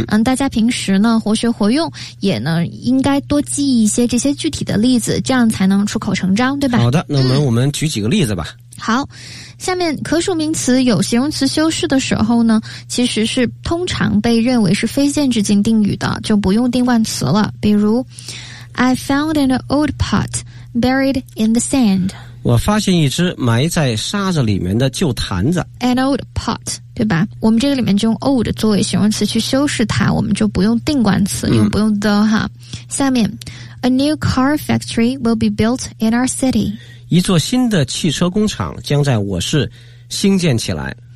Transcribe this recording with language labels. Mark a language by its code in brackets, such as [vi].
[zh] 大家平时呢活学活用也呢应该多记一些这些具体的例子，这样才能出口成章，对吧？好的，那我们举几个例子吧。好，下面可数名词有形容词修饰的时候呢其实是通常被认为是非限制性定语的，就不用定冠词了。比如 [en] I found an old pot buried in the sand. [zh] 我发现一只埋在沙子里面的旧坛子。 [en] An old pot， [zh] 对吧，我们这个里面就用 old 作为形容词去修饰它，我们就不用定冠词，用不用 the 哈。下面 [en] A new car factory will be built in our city. [zh] 一座新的汽车工厂将在我市兴建起来。